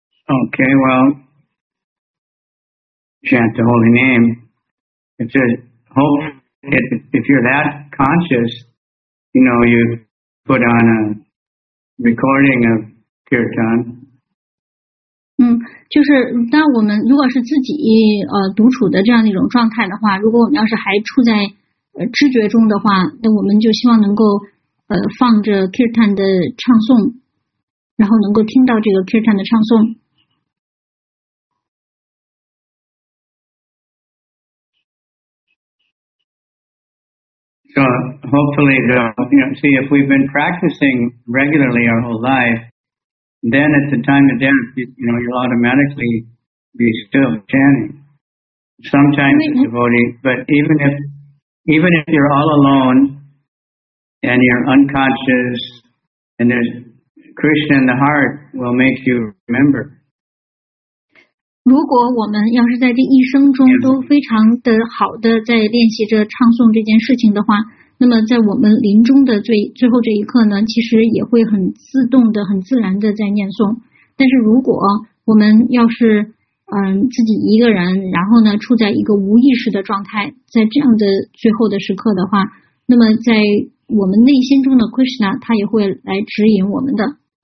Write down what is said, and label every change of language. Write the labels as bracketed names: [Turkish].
[English] Okay, well, chant the holy name. It's a hope. If you're that conscious, you know, you put on a recording of kirtan. [Chinese] 就是当我们如果是自己独处的这样的一种状态的话，如果我们要是还处在知觉中的话，那我们就希望能够放着 kirtan 的唱诵，然后能够听到这个 kirtan 的唱诵。 [English] So hopefully, the, you know, see if we've been practicing regularly our whole life, then at the time of death, you know, you'll automatically be still chanting. Sometimes a devotee, but even if you're all alone and you're unconscious, and there's Krishna in the heart will make you remember. [Chinese] 如果我们要是在这一生中都非常的好的在练习着唱诵这件事情的话，那么在我们临终的最后这一刻呢，其实也会很自动的很自然的在念诵。但是如果我们要是自己一个人，然后呢处在一个无意识的状态，在这样的最后的时刻的话，那么在我们内心中的 Krishna 他也会来指引我们的。